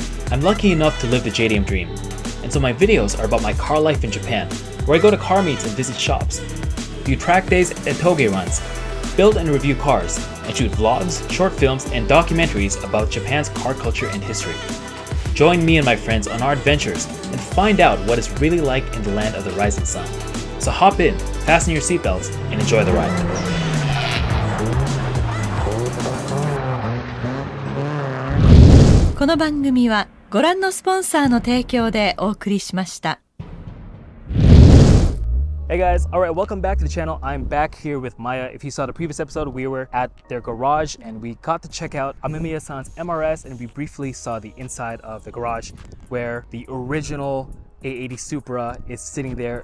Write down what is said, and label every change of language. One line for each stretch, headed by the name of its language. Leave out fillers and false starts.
English: I'm lucky enough to live the JDM dream, and so my videos are about my car life in Japan, where I go to car meets and visit shops, do track days and toge runs, build and review cars, and shoot vlogs, short films, and documentaries about Japan's car culture and history. Join me and my friends on our adventures and find out what it's really like in the land of the rising sun. So hop in, fasten your seatbelts, and enjoy the ride.
Japanese: この番組はご覧のスポンサーの提供でお送りしました。
English: Hey guys, alright, welcome back to the channel. I'm back here with Maaya. If you saw the previous episode, we were at their garage and we got to check out Amemiya-san's MRS and we briefly saw the inside of the garage where the original A80 Supra is sitting there.